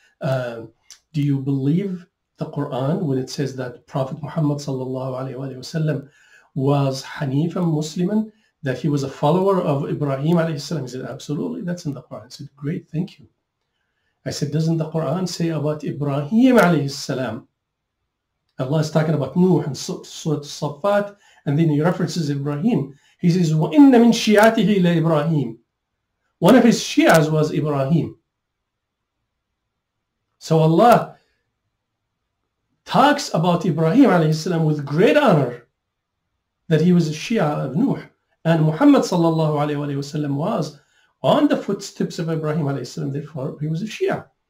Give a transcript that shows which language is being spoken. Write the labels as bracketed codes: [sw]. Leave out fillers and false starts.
[en] Do you believe the Quran when it says that Prophet Muhammad sallallahu alayhi wa sallam was Hanifan Musliman, that he was a follower of Ibrahim alayhi salam? He said, absolutely, that's in the Quran. I said, great, thank you. I said, doesn't the Quran say about Ibrahim alayhi salam? Allah is talking about Nuh and Surah Safat, and then he references Ibrahim. He says, [ar] وَإِنَّ مِن شِيَعَتِهِ لَإِبْرَاهِيمِ. [en] One of his Shias was Ibrahim. So Allah talks about Ibrahim alayhi salam with great honor, that he was a Shia of Nuh. And Muhammad sallallahu alayhi wa sallam was on the footsteps of Ibrahim alayhi salam, therefore he was a Shia.